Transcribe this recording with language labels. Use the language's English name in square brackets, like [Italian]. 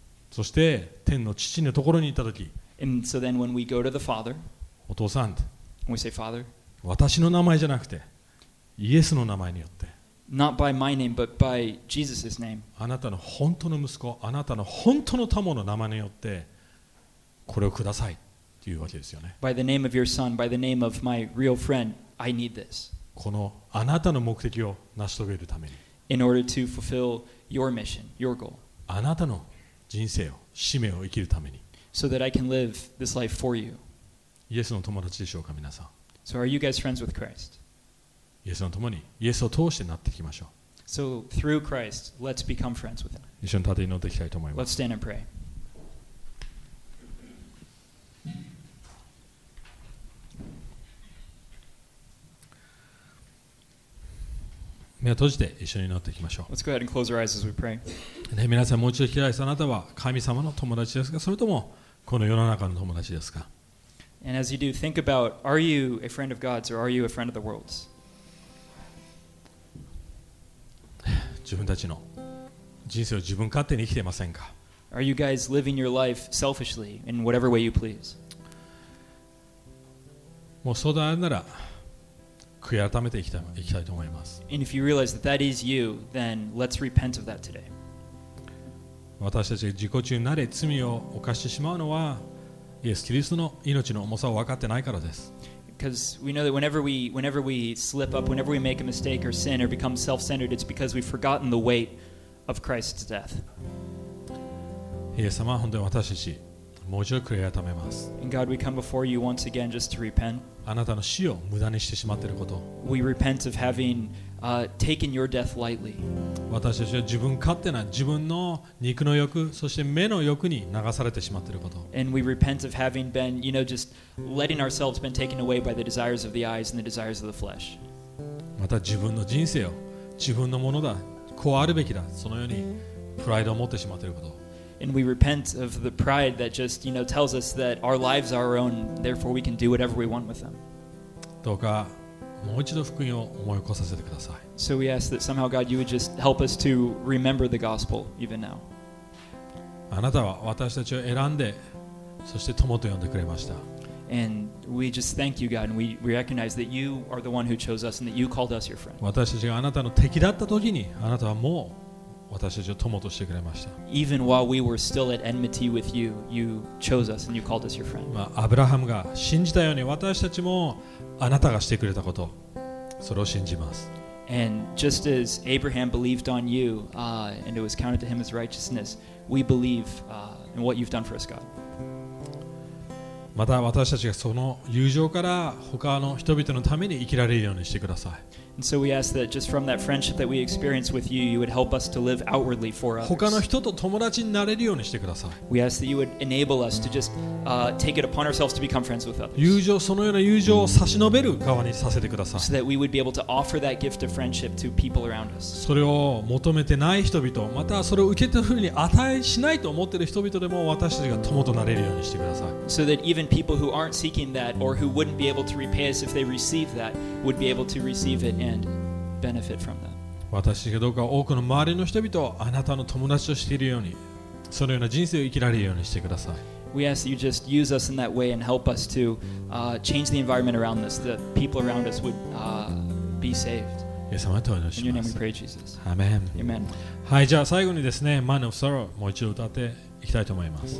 [Japanese] そして天の父のところに行ったとき、 [English] And so then when we go to the Father, [Japanese] お父さん、 [English] we say, Father, [Japanese] 私の名前じゃなくて、イエスの名前によって、 [English] not by my name, but by Jesus's name. [Japanese] あなたの本当の息子、あなたの本当の友の名前によって、これをくださいというわけですよね。 [English] By the name of your son, by the name of my real friend, I need this. [Japanese] このあなたの目的を成し遂げるために、 [English] in order to fulfill your mission, your goal. [Japanese] あなたの人生を、使命を生きるために、 [English] so that I can live this life for you. [Japanese] イエスの友達でしょうか皆さん。 [English] So are you guys friends with Christ? [Japanese] イエスの友に、イエスを通してなっていきましょう。 [English] So through Christ, let's become friends with him. [Japanese] 一緒に立って祈っていきたいと思います。 [English] Let's stand and pray. [Japanese] 目を閉じて一緒に祈っていきましょう。 [English] Let's go ahead and close our eyes as we pray. [Japanese] 皆さんもう一度開いて、あなたは神様の友達ですか、それともこの世の中の友達ですか。 [English] And as you do, think about, are you a friend of God's or are you a friend of the world's? [Japanese] 自分たちの人生を自分勝手に生きていませんか? [English] Are you guys living your life selfishly in whatever way you please? [Japanese] もうそうだなら、悔い改めて生きたいと思います。 [English] And if you realize that that is you, then let's repent of that today. [Japanese] 私たちが自己中になれ罪を犯してしまうのは、イエス・キリストの命の重さを分かってないからです。 [English] Because we know that whenever we slip up, whenever we make a mistake or sin or become self-centered, it's because we've forgotten the weight of Christ's death. [Japanese] イエス様は本当に私たち、もう一度悔い改めます。 [English] And God, we come before you once again just to repent. [Japanese] あなたの死を無駄にしてしまっていること。 [English] We repent of having, taken your death lightly. [Japanese] 私たちは自分勝手な自分の肉の欲、そして目の欲に流されてしまっていること。 [English] And we repent of having been, you know, just letting ourselves been taken away by the desires of the eyes and the desires of the flesh. [Japanese] また自分の人生を自分のものだ、こうあるべきだ、そのようにプライドを持ってしまっていること。 [English] And we repent of the pride that just, you know, tells us that our lives are our own, therefore we can do whatever we want with them. [Japanese] どうかもう一度福音を思い起こさせてください。 [English] So we ask that somehow God, you would just help us to remember the gospel even now. [Japanese] あなたは私たちを選んで、そして友と呼んでくれました。 [English] And we just thank you God, and we recognize that you are the one who chose us and that you called us your friend. [Japanese] 私たちがあなたの敵だった時に、あなたはもう私たちを友としてくれました。 [English] Even while we were still at enmity with you, you chose us and you called us your friend. [Japanese] まあ、アブラハムが信じたように私たちもあなたがしてくれたこと、それを信じます。 [English] And just as Abraham believed on you, and it was counted to him as righteousness, we believe, in what you've done for us, God. [Japanese] また私たちがその友情から他の人々のために生きられるようにしてください。 [English] And so we ask that just from that friendship that we experience with you, you would help us to live outwardly for others. [Japanese] 他の人と友達になれるようにしてください。 [English] We ask that you would enable us to just, take it upon ourselves to become friends with others. [Japanese] 友情、そのような友情を差し伸べる側にさせてください。 [English] So that we would be able to offer that gift of friendship to people around us. [Japanese] それを求めてない人々、またそれを受け取るに値しないと思っている人々でも私たちが友となれるようにしてください。 [English] So that even people who aren't seeking that or who wouldn't be able to repay us if they receive that would be able to receive it and benefit from that. [Japanese] 私たちがどうか多くの周りの人々をあなたの友達としているように、そのような人生を生きられるようにしてください。 [English] We ask that you just use us in that way and help us to, change the environment around us, that people around us would, be saved. [Japanese] イエス様とお祈りします。 [English] In your name we pray, Jesus. Amen. Amen. [Japanese] はい、じゃあ最後にですね、Man of Sorrow もう一度歌っていきたいと思います。